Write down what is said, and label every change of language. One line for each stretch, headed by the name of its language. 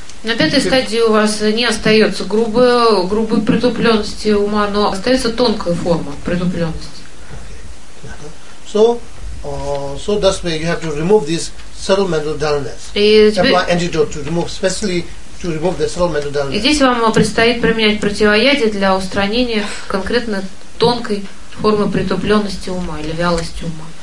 Russian: На пятой стадии у вас не остается грубой притупленности ума, но остается тонкая форма притупленности.
English: So that's why you have to remove this subtle mental dullness. Apply antidote to remove, especially to remove the subtle mental dullness.
Russian: И здесь вам предстоит применять противоядие для устранения конкретно тонкой формы притупленности ума или вялости ума.